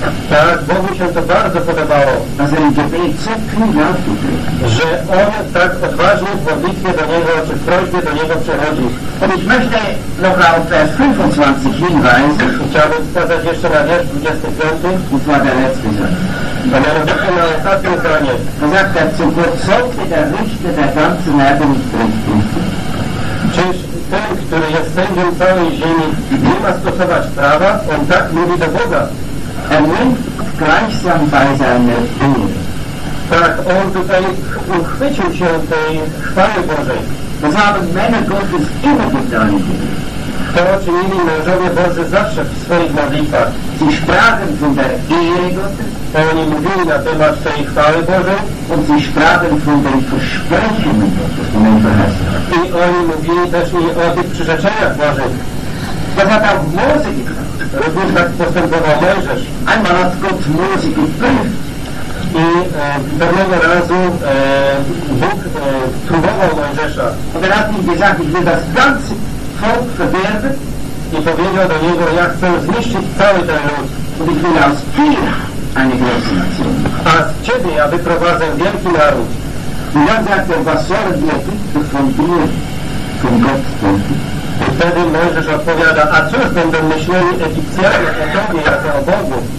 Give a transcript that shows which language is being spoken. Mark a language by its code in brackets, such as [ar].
[pl] Tak, Bogu się to bardzo podobało. [de] Dass er im Gebet so kühn aufgetreten ist. [pl] Że on tak odważnie w modlitwie do niego, czy w prośbie do niego przechodzi. [de] Und ich möchte noch auf Vers 25 hinweisen. [pl] Chciałbym wskazać jeszcze na wiersz 25. [de] Und zwar der letzte Satz. [pl] A mianowicie na ostatnim zdanie. [de] Gesagt hat, zu Gott sollte der Richter der ganzen Erde nicht richten. [pl] Czyż ten, który jest sędzią całej ziemi, nie ma stosować prawa, on tak mówi do Boga. [de] Er nimmt gleichsam bei seiner Ehre. [pl] Tak, on tutaj uchwycił się tej chwały Bożej. [de] Das haben Männer Gottes immer getan. [pl] To czynili mężowie Boże zawsze w swoich modlitwach. [de] Sie sprachen von der Ehre Gottes. [pl] Oni mówili na temat tej chwały Bożej. [de] Und sie sprachen von den Versprechen Gottes. [pl] I oni mówili też nie o tych przyrzeczeniach Bożych. [de] Das hat auch Mose getan. [pl] Również tak postępował Mojżesz. [de] Einmal hat Gott Mose geprüft. [pl] I pewnego razu Bóg próbował Mojżesza. [de] Und er hat ihm gesagt, ich will das ganze Volk verderben. [pl] I powiedział do niego, ja chcę zniszczyć cały ten lud. [de] Und ich will aus dir eine große Nation. [pl] A z ciebie ja wyprowadzę wielki naród. [de] Und dann sagt er, was sollen wir bitte von dir, von Gott denken? [pl] I wtedy Mojżesz odpowiada, a cóż będą myśleli Egipcjanie o tobie jako o Bogu?